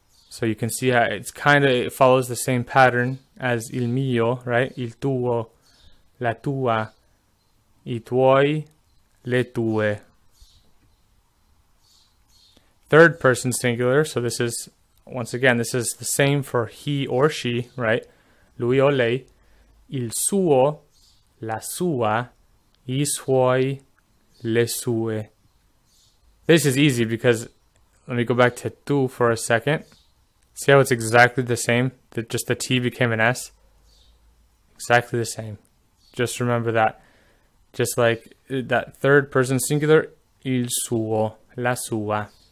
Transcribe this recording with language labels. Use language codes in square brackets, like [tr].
[en] So you can see how it's kind of, it follows the same pattern as [it] il mio, [en] right? [it] Il tuo, la tua, i tuoi, le tue. [en] Third person singular. So this is, once again, this is the same for he or she, right? [it] Lui o lei. Il suo, la sua, i suoi, le sue. [en] This is easy because let me go back to tu for a second. See how it's exactly the same? That just the T became an S? Exactly the same. Just remember that. Just like that third person singular, [it] il suo, la sua.